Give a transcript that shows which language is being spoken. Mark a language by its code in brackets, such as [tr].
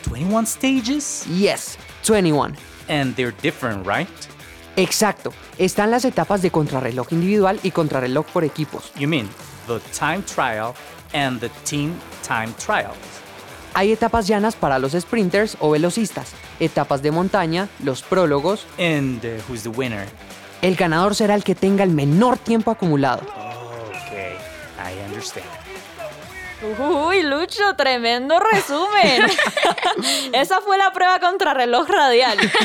[en] 21 stages? Yes, 21. And they're different, right? [es] Exacto. Están las etapas de contrarreloj individual y contrarreloj por equipos. [en] You mean the time trial and the team time trials. [es] Hay etapas llanas para los sprinters o velocistas, etapas de montaña, los prólogos. [en] And who's the winner? [es] El ganador será el que tenga el menor tiempo acumulado. [en] Okay, I understand. [es] Uy, Lucho, tremendo resumen. Esa fue la prueba contrarreloj radial.